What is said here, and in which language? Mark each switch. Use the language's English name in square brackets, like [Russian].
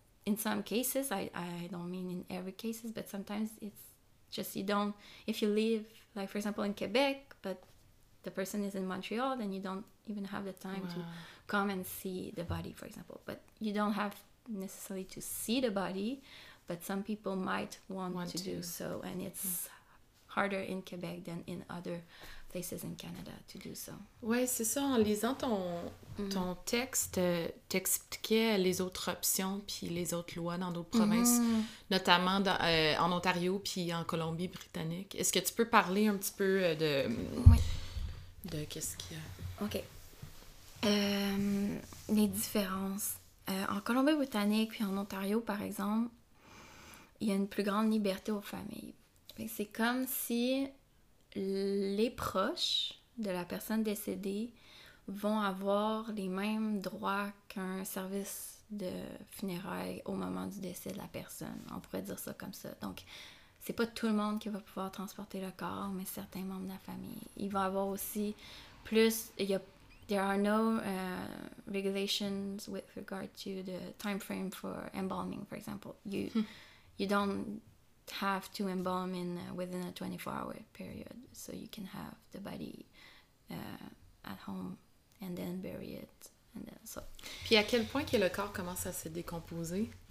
[English] In some cases, I don't mean in every cases, but sometimes it's just you don't, if you live, like for example in Quebec, but the person is in Montreal, then you don't even have the time to come and see the body, for example. But you don't have necessarily to see the body, but some people might want to do so. And it's harder in Quebec than in other places in Canada to do so. [French] Ouais, c'est ça. En lisant ton texte, t'expliquais les autres options puis les autres lois dans d'autres provinces, notamment en Ontario puis en Colombie-Britannique. Est-ce que tu peux parler un petit peu de... Oui. De qu'est-ce qu'il y a? OK. Les différences. En Colombie-Britannique puis en Ontario, par exemple, il y a une plus grande liberté aux familles. C'est comme si... les proches de la personne décédée vont avoir les mêmes droits qu'un service de funérailles au moment du décès de la personne. On pourrait dire ça comme ça. Donc, c'est pas tout le monde qui va pouvoir transporter le corps, mais certains membres de la famille. Il va avoir aussi plus... [English] There are no regulations with regard to the time frame for embalming, for example. You don't have to embalm in within a 24-hour period, so you can have the body at home and then bury it. And then, so. [French] Puis à quel point que le corps commence à se décomposer?